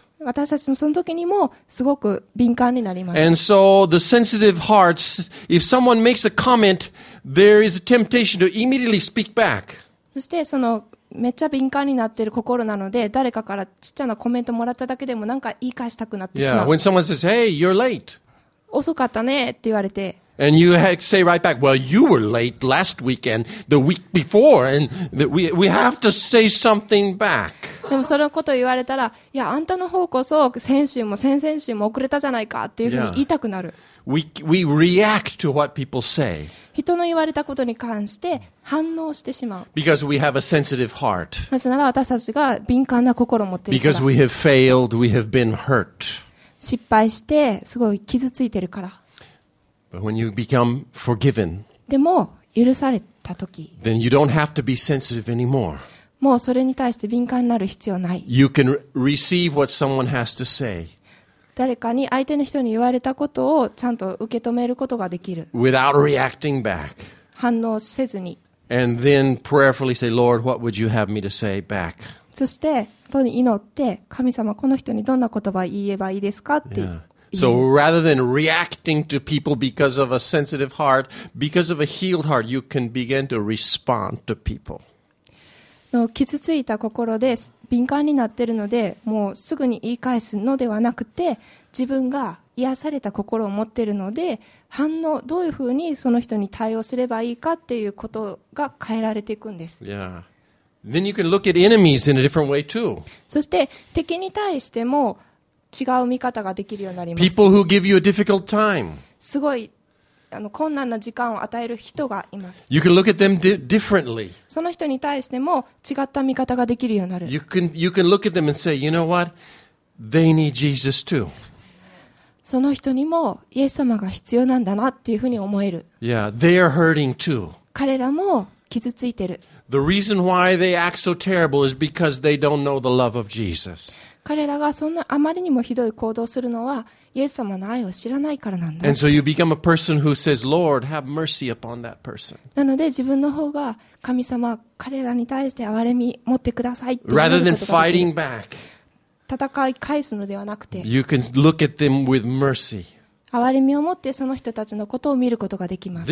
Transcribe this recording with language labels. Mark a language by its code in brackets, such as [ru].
[ja] 私たちもそのときにもすごく敏感になります。 [en] And so the sensitive hearts, if someone makes a comment, there is a temptation to immediately speak back. [ja] そしてそのめっちゃ敏感になっている心なので、誰かからちっちゃなコメントもらっただけでもなんか言い返したくなってしまう。 [en] Yeah, when someone says, "Hey, you're late." [ja] 遅かったねって言われて。 [en] And you say right back, well, you were late last week and the week before, and we have to say something back. [ja] でもそのことを言われたら、いや、あんたの方こそ先週も先々週も遅れたじゃないかっていうふうに言いたくなる。 [en] Yeah. We react to what people say. [ja] 人の言われたことに関して反応してしまう。 [en] Because we have a sensitive heart. [ja] なぜなら私たちが敏感な心を持っているから。 [en] Because we have failed, we have been hurt. [ja] 失敗してすごい傷ついてるから。 [en] When you become forgiven, [ja] でも許されたとき、 [en] then you don't have to be sensitive anymore. [ja] もうそれに対して敏感になる必要ない。 [en] You can receive what someone has to say. [ja] 誰かに相手の人に言われたことをちゃんと受け止めることができる。 [en] Without reacting back. [ja] 反応せずに。 [en] And then prayerfully say, Lord, what would you have me to say back? [ja] そして本当に祈って、神様この人にどんな言葉を言えばいいですかって。 [en] Yeah. So rather than reacting to people because of a sensitive heart, because of a healed heart, you can begin to respond to people. [ja] の傷ついた心で敏感になっているので、もうすぐに言い返すのではなくて、自分が癒された心を持っているので、反応どういうふうにその人に対応すればいいかっていうことが変えられていくんです。 [en] Yeah. Then you can look at enemies in a different way too. [ja] そして敵に対しても。違う見方ができるようになります。 [en] People who give you a difficult time. [ja] すごい困難な時間を与える人がいます。 [en] You can look at them differently. [ja] その人に対しても違った見方ができるようになる。 [en] You can look at them and say, you know what? They need Jesus too. [ja] その人にもイエス様が必要なんだなっていうふうに思える。 [en] Yeah, they are hurting too. [ja] 彼らも傷ついてる。 [en] The reason why they act so terrible is because they don't know the love of Jesus. [ja] 彼らがそんなあまりにもひどい行動をするのはイエス様の愛を知らないからなんだ。 [en] And so you become a person who says, Lord, have mercy upon that person. [ja] なので自分の方が神様、彼らに対して憐れみ持ってくださいって言うことができ [en] Rather than fighting back, [ja] 戦い返すのではなくて、 [en] you can look at them with mercy. [ja] 憐れみを持ってその人たちのことを見ることができます。